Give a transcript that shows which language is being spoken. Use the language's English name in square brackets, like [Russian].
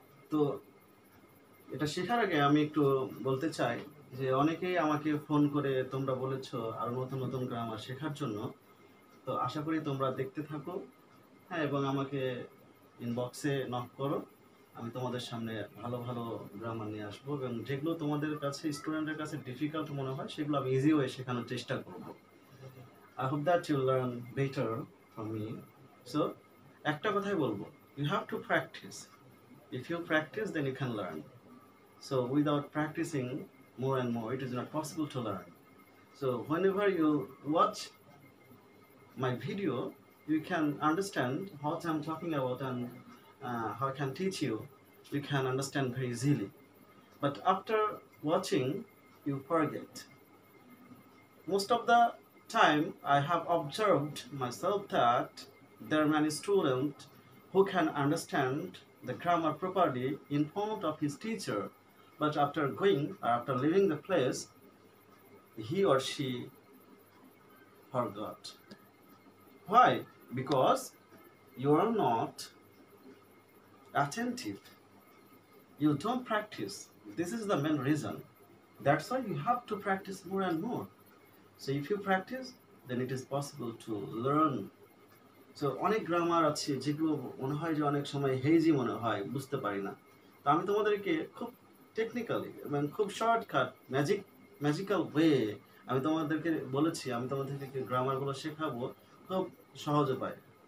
[Bangla] তো এটা শেখার আগে আমি একটু বলতে চাই যে অনেকেই আমাকে ফোন করে তোমরা বলেছো আর নতুন নতুন গ্রামার শেখার জন্য, তো আশা করি তোমরা দেখতে থাকো, হ্যাঁ, এবং আমাকে ইনবক্সে নক করো, আমি তোমাদের সামনে ভালো ভালো গ্রামার নিয়ে আসবো, এবং যেগুলো তোমাদের কাছে স্টুডেন্টের কাছে ডিফিকাল্ট মনে হয় সেগুলো আমি ইজি ওয়ে শেখানোর চেষ্টা করবো। [English] I hope that you learn better from me. So [Bangla] একটা কথাই বলবো, [English] You have to practise, if you practise then you can learn, so without practising more and more it is not possible to learn. So whenever you watch my video you can understand what I'm talking about and how I can teach you, you can understand very easily, but after watching you forget. Most of the time I have observed myself that there are many students who can understand the grammar properly in front of his teacher, but after going or after leaving the place, he or she forgot. Why? Because you are not attentive. You don't practice. This is the main reason. That's why you have to practice more and more. So if you practice, then it is possible to learn. [Bangla] So অনেক grammar আছে যেগুলো মনে হয় যে অনেক সময় hazy মনে হয়, বুঝতে পারি না। তো আমি তোমাদেরকে খুব টেকনিক্যালি এবং খুব শর্টকাট ম্যাজিক্যাল ওয়ে আমি তোমাদেরকে বলেছি, আমি তোমাদেরকে গ্রামারগুলো শেখাবো খুব সহজ উপায়ে।